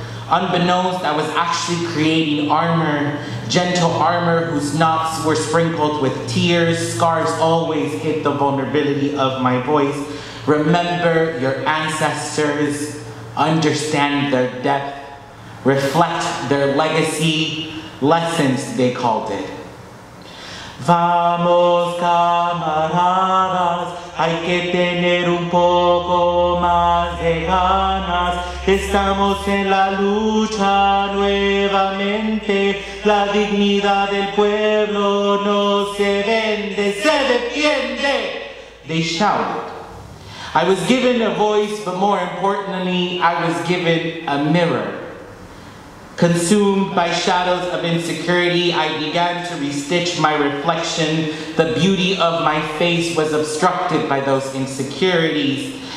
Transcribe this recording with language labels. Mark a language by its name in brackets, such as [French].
[English] Unbeknownst, I was actually creating armor, gentle armor whose knots were sprinkled with tears. Scars always hit the vulnerability of my voice. Remember your ancestors, understand their depth, reflect their legacy, lessons, they called it. [Spanish] Vamos, camaradas, hay que tener un poco más de ganas. Estamos en la lucha nuevamente. La dignidad del pueblo no se vende, se defiende. [English] They shouted. I was given a voice, but more importantly, I was given a mirror. Consumed by shadows of insecurity, I began to restitch my reflection. The beauty of my face was obstructed by those insecurities.